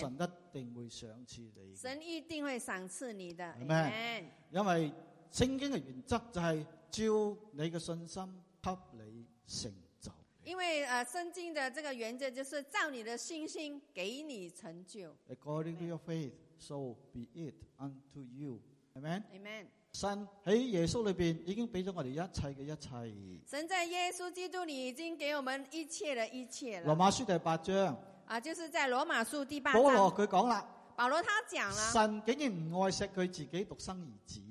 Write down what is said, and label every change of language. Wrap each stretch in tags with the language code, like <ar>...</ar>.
<zh>神一定会赏赐你。神一定会赏赐你的。</zh> <en>Amen。</en> <zh>因为圣经的原则就是照你的信心给你成。因为圣经的这个原则就是照你的信心给你成就。</zh> <en>According to your faith, so be it unto you. Amen. Amen.</en> <zh>神在耶稣里面已经给了我们一切的一切。神在耶稣基督里已经给我们一切的一切了。罗马书第八章。就是在罗马书第八章。保罗他讲了。保罗他讲了。神竟然不爱惜他自己独生儿子。</zh>